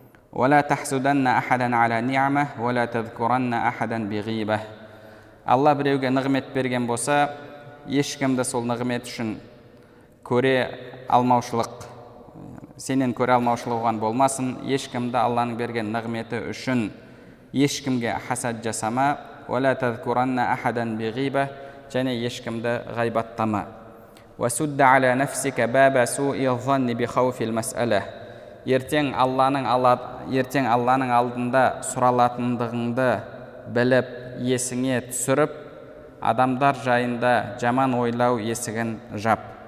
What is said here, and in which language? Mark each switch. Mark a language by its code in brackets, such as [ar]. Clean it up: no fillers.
[ar] وَلَا تَحْسُدَنَّ أَحَدًا عَلَى نِعْمَةٍ وَلَا تَذْكُرَنَّ أَحَدًا بِغِيبَةٍ الله [kk] біреуге нығмет берген болса, ешкімді сол нығмет үшін көре алмаушылық, сенен көре алмаушылық оған болмасын. Ешкімді Алланың берген нығметі үшін ешкімге хасад жасама. [ar] وَلَا تَذْكُرَنَّ أَحَدًا بِغِيبَةٍ [kk] және ешкімді ғайбаттама. [ar] وَسُدَّ عَلَى نَفْسِكَ بَابَ سُوءِ الظَّنِّ بِخَوْفِ الْمَسْأَلَةِ [kk] ертең Алланың алдында сұралатындығыңды біліп, есіңе түсіріп, адамдар жайында жаман ойлау есігін жап.